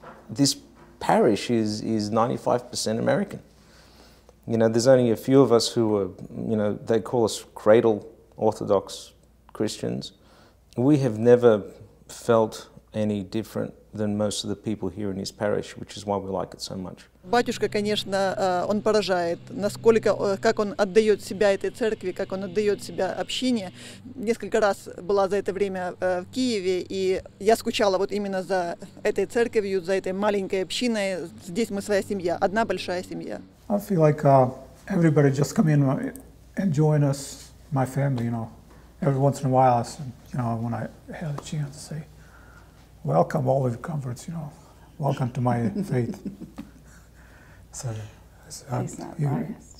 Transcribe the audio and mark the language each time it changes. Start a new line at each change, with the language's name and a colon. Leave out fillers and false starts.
English: This parish is 95% American. You know, there's only a few of us who are, you know, they call us cradle Orthodox Christians. We have never felt any different than most of the people here in his parish, which is why we like it so much.
Russian: Батюшка, конечно, он поражает, насколько, как он отдает себя этой церкви, как он отдает себя общине. Несколько раз была за это время в Киеве, и я скучала вот именно за этой церковью, за этой маленькой общиной. Здесь мы своя семья, одна большая семья.
English: I feel like everybody just come in and join us, my family, you know. Every once in a while, you know, when I had a chance to say, welcome all of the converts, you know, welcome to my faith. So he's not biased.